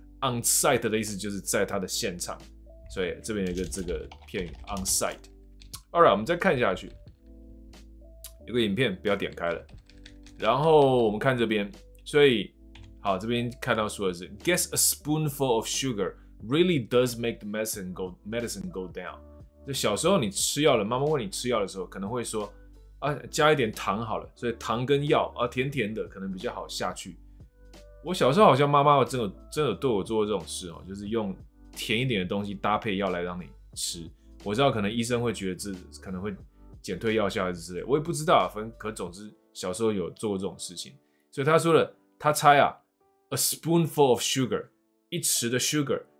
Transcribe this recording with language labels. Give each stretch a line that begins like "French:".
Chinese: On site 的意思就是在他的现场，所以这边有一个这个片语 on site。
English: All right，
Chinese: 我们再看下去，有个影片不要点开了，然后我们看这边，所以好，这边看到说的是
English: get a spoonful of sugar。 Really does make the medicine go down.
Chinese: 就小时候你吃药了，妈妈问你吃药的时候，可能会说啊，加一点糖好了。所以糖跟药啊，甜甜的可能比较好下去。我小时候好像妈妈真的对我做过这种事哦，就是用甜一点的东西搭配药来让你吃。我知道可能医生会觉得这可能会减退药效还是之类，我也不知道啊。反正可总之小时候有做过这种事情，所以他说了，他猜啊 ，
English: a spoonful of sugar，
Chinese: 一匙的 sugar。